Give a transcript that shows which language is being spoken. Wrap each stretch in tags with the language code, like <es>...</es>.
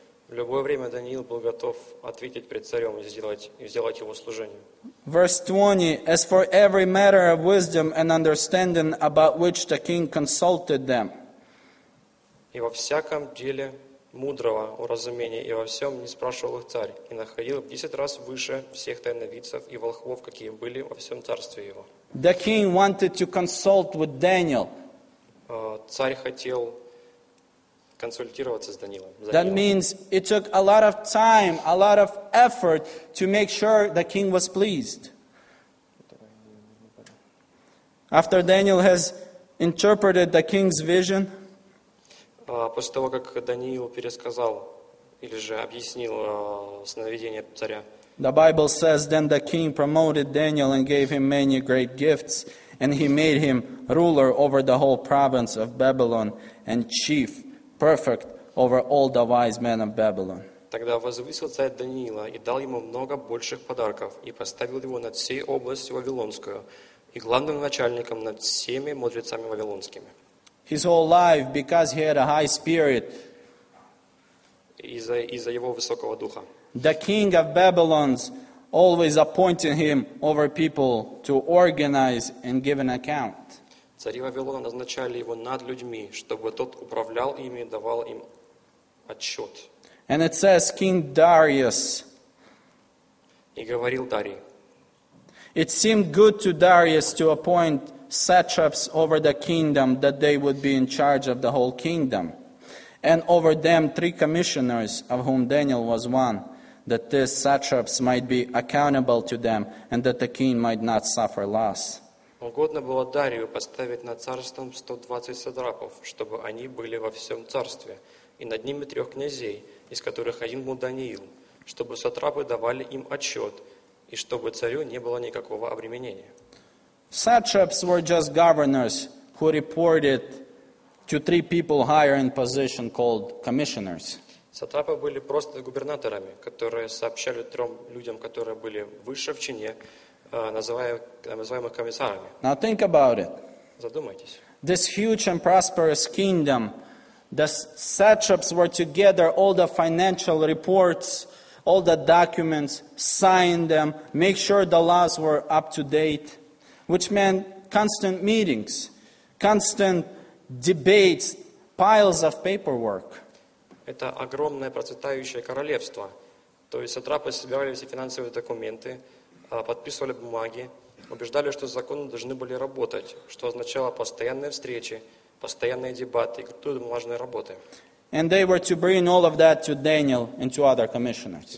<ru>В любое время Даниил был готов ответить пред царем и сделать его служение.</ru> <en>Verse 20. As for every matter of wisdom and understanding about which the king consulted them.</en> <ru>И во всяком деле мудрого уразумения и во всем не спрашивал их царь, и находил в 10 раз выше всех тайновидцев и волхвов, какие были во всем царстве его.</ru> <en>The king wanted to consult with Daniel.</en> <ru>Царь хотел консультироваться с Даниилом.</ru> <en>That means it took a lot of time, a lot of effort to make sure the king was pleased. After Daniel has interpreted the king's vision,</en> <ru>после того, как Даниил пересказал или же объяснил сновидение царя,</ru> <en>the Bible says, then the king promoted Daniel and gave him many great gifts, and he made him ruler over the whole province of Babylon and chief, perfect over all the wise men of Babylon.</en> <ru>Тогда возвысил царь Даниила и дал ему много больших подарков, и поставил его над всей областью Вавилонскую, и главным начальником над всеми мудрецами вавилонскими.</ru> <en>His whole life, because he had a high spirit,</en> <ru>из-за его высокого духа,</ru> <en>the king of Babylon always appointed him over people to organize and give an account.</en> <ru>Цари Вавилона назначали его над людьми, чтобы тот управлял ими, давал им отчет.</ru> <en>And it says, King Darius.</en> <ru>И говорил Дарий.</ru> <en>It seemed good to Darius to appoint satraps over the kingdom, that they would be in charge of the whole kingdom, and over them three commissioners, of whom Daniel was one, that these satraps might be accountable to them, and that the king might not suffer loss.</en> <ru>Угодно было Дарию поставить над царством 120 сатрапов, чтобы они были во всем царстве, и над ними трех князей, из которых один был Даниил, чтобы сатрапы давали им отчет, и чтобы царю не было никакого обременения.</ru> <en>Satraps were just governors who reported to three people higher in position called commissioners.</en> <ru>Сатрапы были просто губернаторами, которые сообщали трем людям, которые были выше в чине, называемых комиссарами.</ru> <en>Now think about it.</en> <ru>Задумайтесь.</ru> <en>This huge and prosperous kingdom, the satraps were together, all the financial reports, all the documents, signed them, make sure the laws were up to date. Which meant constant meetings, constant debates, piles of paperwork.</en> <ru>Это огромное процветающее королевство. То есть сатрапы собирали все финансовые документы, подписывали бумаги, убеждали, что законы должны были работать, что означало постоянные встречи, постоянные дебаты, крутые бумажные работы.</ru> <en>And they were to bring all of that to Daniel and to other commissioners.</en>